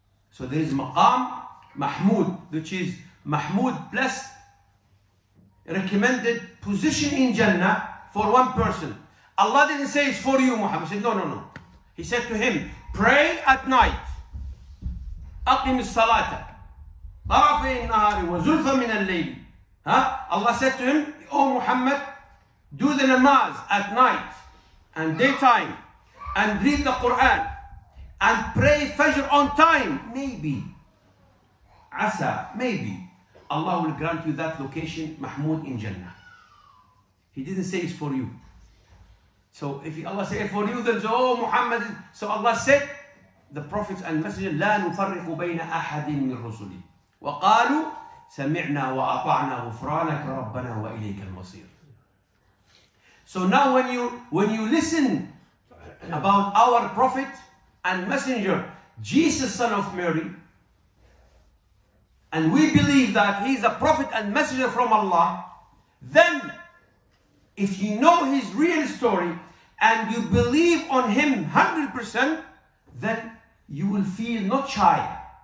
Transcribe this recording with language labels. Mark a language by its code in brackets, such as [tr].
[en] So there is maqam mahmud, which is mahmud, blessed, recommended position in Jannah for one person. Allah didn't say it's for you, Muhammad. He said, no. He said to him, pray at night. [ar] أقم الصلاة طرفي النهار وزلفا من الليل. [en] Allah said to him, oh Muhammad, do the namaz at night and daytime and read the Quran and pray Fajr on time. Maybe. Asa, maybe. Allah will grant you that location, Mahmud, in Jannah. He didn't say it's for you. So if Allah said it's for you, then say, oh Muhammad. So Allah said, the prophets and messengers, [ar] لا نفرق بين أحد من الرسل. وقالوا سمعنا وأطعنا غفرانك ربنا وإليك المصير. [en] So now when you listen about our prophet and messenger, Jesus, son of Mary, and we believe that he is a prophet and messenger from Allah, then if you know his real story and you believe on him 100%, then you will feel not shy.